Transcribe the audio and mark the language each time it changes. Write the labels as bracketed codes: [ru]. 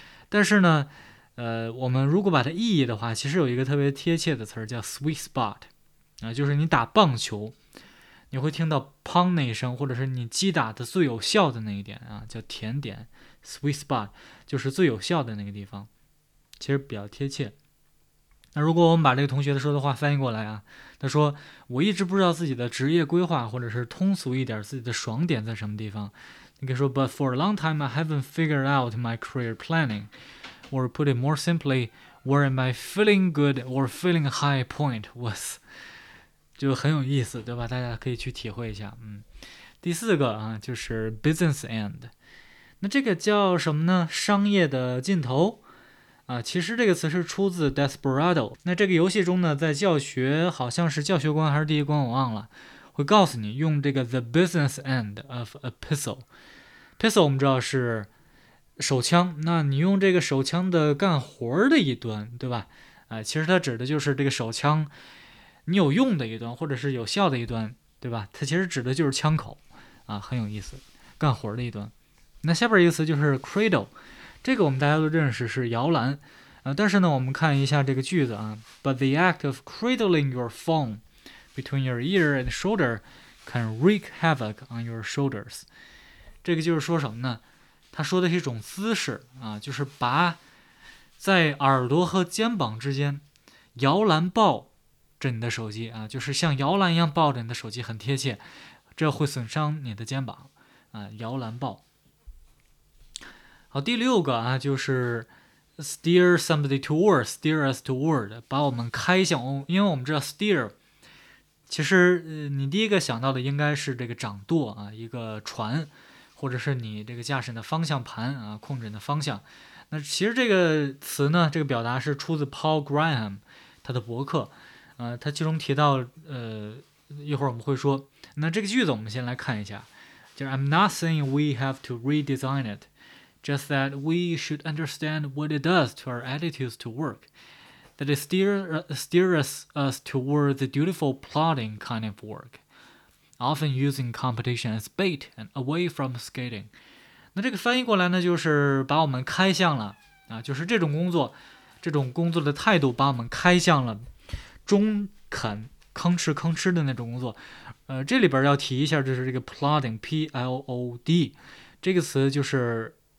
[zh] 但是呢，我们如果把它意译的话，其实有一个特别贴切的词儿叫 sweet spot，就是你打棒球，你会听到 pong 那一声，或者是你击打的最有效的那一点啊，叫甜点 sweet spot，就是最有效的那个地方，其实比较贴切。那如果我们把这个同学的说的话翻译过来啊，他说我一直不知道自己的职业规划，或者是通俗一点自己的爽点在什么地方。你可以说， [en] But for a long time, I haven't figured out my career planning, or put it more simply, where my feeling good or feeling high point was， [zh] 就很有意思，对吧？大家可以去体会一下。第四个啊，就是 business end，那这个叫什么呢？商业的尽头其实这个词是出自 Desperado。那这个游戏中呢，在教学好像是教学关还是第一关我忘了，会告诉你用这个 [en] the business end of a pistol。 [zh] pistol 我们知道是手枪，那你用这个手枪的干活的一端，对吧？其实它指的就是这个手枪你有用的一端，或者是有效的一端，对吧？它其实指的就是枪口啊，很有意思，干活的一端。那下边一个词就是 cradle，这个我们大家都认识，是摇篮，但是呢，我们看一下这个句子啊。 [en] But the act of cradling your phone between your ear and shoulder can wreak havoc on your shoulders。 [zh] 这个就是说什么呢？他说的是一种姿势啊，就是把在耳朵和肩膀之间摇篮抱着你的手机啊，就是像摇篮一样抱着你的手机，很贴切，这会损伤你的肩膀啊，摇篮抱。好，第六个啊，就是 [en] steer somebody toward, steer us toward, [zh] 把我们开向，因为我们知道 steer, 其实你第一个想到的应该是这个掌舵啊，一个船，或者是你这个驾驶的方向盘啊，控制你的方向。那其实这个词呢，这个表达是出自 Paul Graham, 他的博客，他其中提到，一会儿我们会说。那这个句子我们先来看一下，就是 [en] I'm not saying we have to redesign it,Just that we should understand what it does to our attitudes to work, that it steers us toward the dutiful plodding kind of work, often using competition as bait and away from skating. [zh] 那这个翻译过来呢，就是把我们开向了啊，就是这种工作的态度把我们开向了中肯吭哧吭哧的那种工作。这里边要提一下，就是这个 plodding, P-L-O-D, 这个词就是。